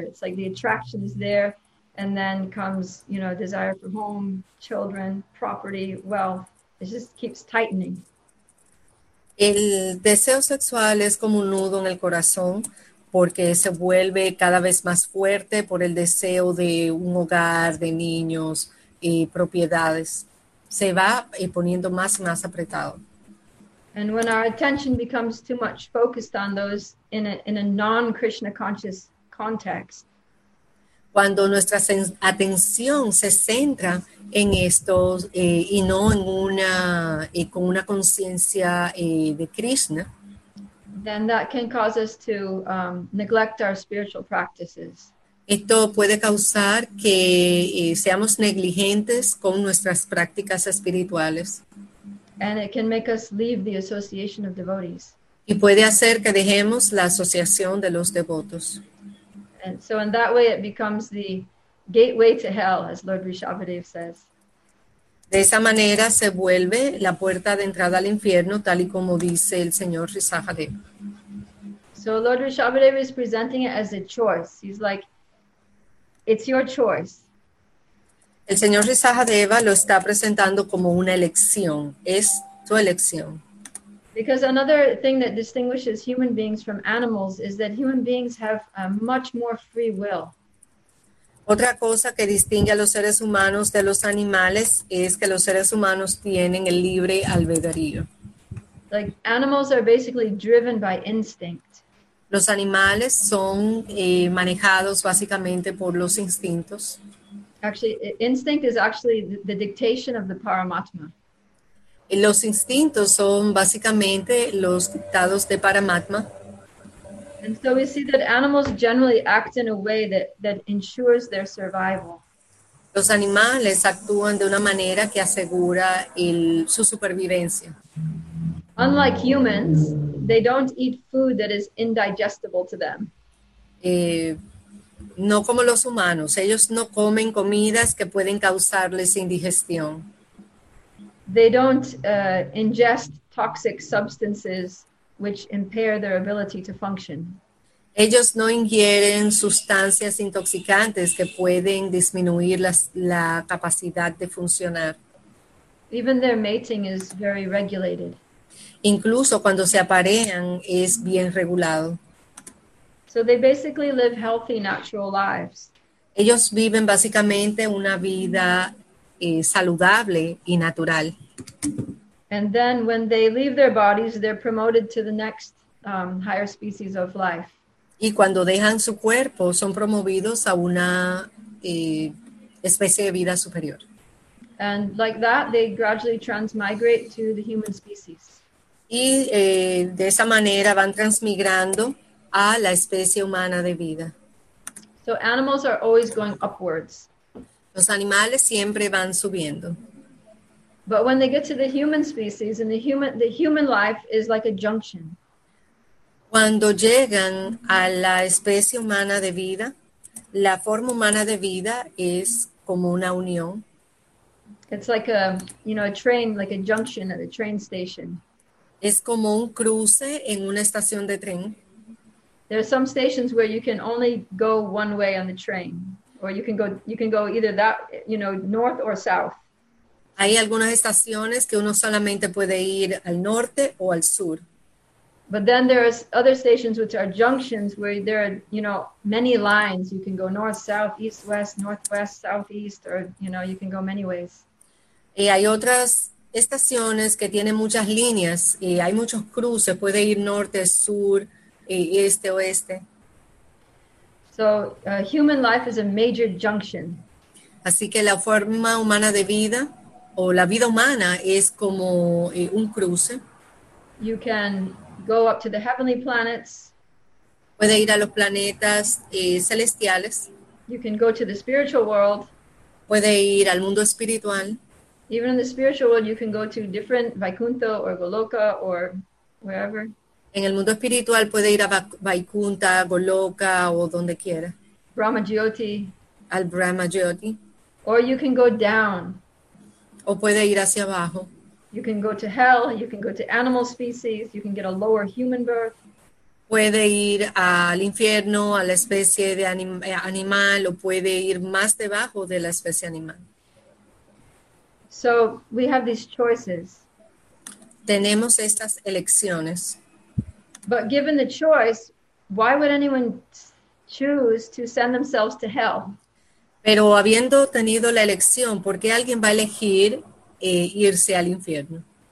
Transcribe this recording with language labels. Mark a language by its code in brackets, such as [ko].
[en] It's like the attraction is there, and then comes, desire for home, children, property, wealth. It just keeps tightening. [es] El deseo sexual es como un nudo en el corazón, porque se vuelve cada vez más fuerte por el deseo de un hogar, de niños y propiedades. Se va poniendo más y más apretado. [en] And when our attention becomes too much focused on those in a non-Krishna conscious context, [es] Cuando nuestra atención se centra en estos y no en una con una conciencia de Krishna, [en] then that can cause us to neglect our spiritual practices. [es] esto puede causar que seamos negligentes con nuestras prácticas espirituales [en] And it can make us leave the association of devotees. [es] y puede hacer que dejemos la asociación de los devotos. [en] And so, in that way, it becomes the gateway to hell, as Lord Rishabhadev says. [es] De esa manera se vuelve la puerta de entrada al infierno, tal y como dice el señor Rishabhadeva. [en] So, Lord Rishabhadev is presenting it as a choice. He's like, it's your choice. [es] El señor Rishabhadeva lo está presentando como una elección, es tu elección. [en] Because another thing that distinguishes human beings from animals is that human beings have a much more free will. [es] Otra cosa que distingue a los seres humanos de los animales es que los seres humanos tienen el libre albedrío. [en] Like animals are basically driven by instinct. [es] Los animales son manejados básicamente por los instintos. [en] Actually, instinct is actually the dictation of the Paramatma. [es] Los instintos son básicamente los dictados de Paramatma. [en] And so we see that animals generally act in a way that ensures their survival. [es] Los animales actúan de una manera que asegura su supervivencia. [en] Unlike humans, they don't eat food that is indigestible to them. [es] No como los humanos, ellos no comen comidas que pueden causarles indigestión. [en] They don't ingest toxic substances which impair their ability to function. [es] Ellos no ingieren sustancias intoxicantes que pueden disminuir la capacidad de funcionar. [en] Even their mating is very regulated. [es] Incluso cuando se aparean es bien regulado. [en] So they basically live healthy, natural lives. [es] Ellos viven básicamente una vida saludable y natural. [en] And then when they leave their bodies, they're promoted to the next higher species of life. [es] Y cuando dejan su cuerpo, son promovidos a una especie de vida superior. [en] And like that, they gradually transmigrate to the human species. [es] Y de esa manera van transmigrando a la especie humana de vida. [en] So animals are always going upwards. [es] Los animales siempre van subiendo. [en] But when they get to the human species, and the human life is like a junction. [es] Cuando llegan a la especie humana de vida, la forma humana de vida es como una unión. [en] It's like a train, like a junction at a train station. [es] Es como un cruce en una estación de tren. [en] There are some stations where you can only go one way on the train, or you can go either that, north or south. [es] Hay algunas estaciones que uno solamente puede ir al norte o al sur. [en] But then there are other stations which are junctions where there are, many lines. You can go north, south, east, west, northwest, southeast, or, you can go many ways. [es] Y hay otras estaciones que tienen muchas líneas y hay muchos cruces. Puede ir norte, sur, este, oeste. [en] So human life is a major junction. [es] Así que la forma humana de vida o la vida humana es como un cruce. [en] You can go up to the heavenly planets. [es] Puede ir a los planetas celestiales. [en] You can go to the spiritual world. [es] Puede ir al mundo espiritual. [en] Even in the spiritual world, you can go to different Vaikuntha or Goloka or wherever. [es] En el mundo espiritual puede ir a Vaikuntha, Goloka o donde quiera. [en] Brahma Jyoti. [es] Al Brahma Jyoti. [en] Or you can go down. [es] O puede ir hacia abajo. [en] You can go to hell, you can go to animal species, you can get a lower human birth. [es] Puede ir al infierno, a la especie de animal, o puede ir más debajo de la especie animal. [en] So we have these choices. [es] Tenemos estas elecciones. [en] But given the choice, why would anyone choose to send themselves to hell? [es] Pero habiendo tenido la elección, ¿por qué alguien va a elegir irse al infierno?